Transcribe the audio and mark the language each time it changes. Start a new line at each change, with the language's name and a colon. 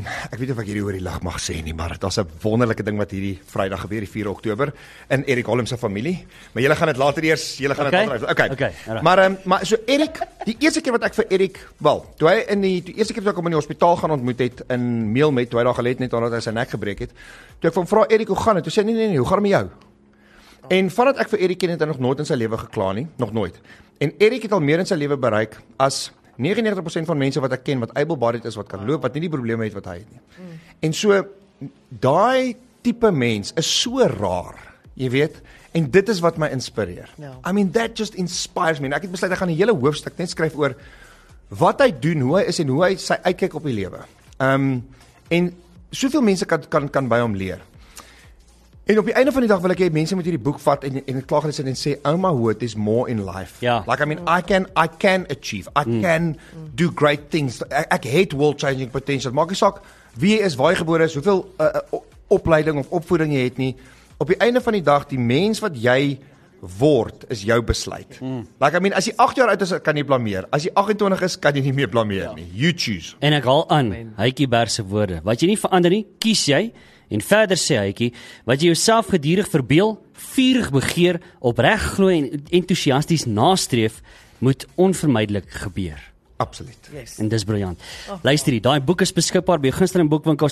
Afrikaans: Ek weet of ek hierdie oor die lig mag sê nie, maar dit was 'n wonderlike ding wat hierdie Vrydag gebeur, die 4 Oktober in Erik Holm se familie. Maar julle gaan dit later eers, julle gaan dit okay. Okay. Okay. Maar so Erik, die eerste keer wat ek vir Erik, wel, toe hy in die eerste keer toe ek hom in die hospitaal gaan ontmoet het in Meel met, toe hy daar gelê het net omdat hy sy nek gebreek het. Toe ek van vra Erik hoe gaan dit? Toe sê nee, hoe gaan met jou? En vandat ek vir Erik ken, het hy nog nooit in sy lewe gekla nie, nog nooit. En Erik het al meer in sy lewe bereik as 99% van mense wat ek ken, wat able-bodied is, wat kan loop, wat nie die probleme het wat hy het nie. En so, daai type mens is so raar, jy weet, en dit is wat my inspireer.
English: No. I mean, that just inspires me.
Afrikaans: En ek het besluit, ek gaan die hele hoofstuk net skryf oor wat hy doen, hoe hy is en hoe hy sy uitkyk op die lewe. En soveel mense kan by hom leer. En op die einde van die dag wil ek hê mense moet hierdie boek vat en klaar gelees het en sê, oh my word,
English: there's more in life. Yeah. Like, I mean, I can achieve. I can do great things.
Afrikaans: Ek het world-changing potential. Maak nie saak, wie jy is, waar jy gebore is, hoeveel opleiding of opvoeding jy het nie. Op die einde van die dag, die mens wat jy word is jou besluit.
English: Like, I mean,
Afrikaans: as jy 8 jaar oud is, kan jy blameer. As jy 28 is, kan jy nie meer blameer nie.
English: You choose.
Afrikaans: En ek haal aan, Hykie Berg se woorde. Wat jy nie verander nie, kies jy. En verder sê Hykie, wat jy jouself gedurig verbeel, vurig begeer, opreg glo en entousiasties nastreef, moet onvermydelik gebeur. Absoluut.
English: Yes.
Afrikaans: En dis briljant. Luister hier, daai boek is beskikbaar by jou gunsteling boekwinkel.